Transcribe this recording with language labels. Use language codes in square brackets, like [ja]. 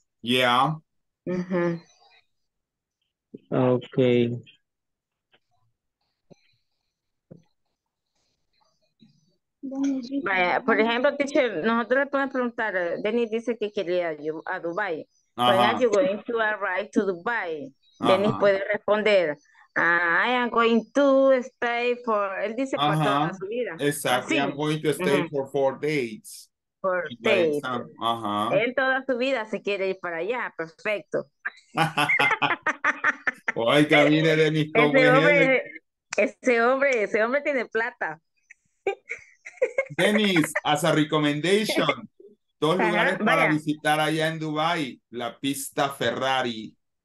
[en] Yeah. Uh-huh. Okay. [es] Vaya, por ejemplo, teacher, nosotros le podemos preguntar, Denis dice que quería ir a Dubai. Uh-huh. [en] When are you going to arrive to Dubai? Uh-huh. [es] Denis puede responder, [en] I am going to stay for, [es] él dice [en] uh-huh. [es] Para toda su vida. [en] Exactly, I'm going to stay uh-huh. For 4 days. Uh-huh. [es] En toda su vida se quiere ir para allá, perfecto. Ay, camine, Denis, ese hombre tiene plata. Dennis, [en] as a recommendation, [es] dos lugares para visitar allá en Dubai, la pista Ferrari.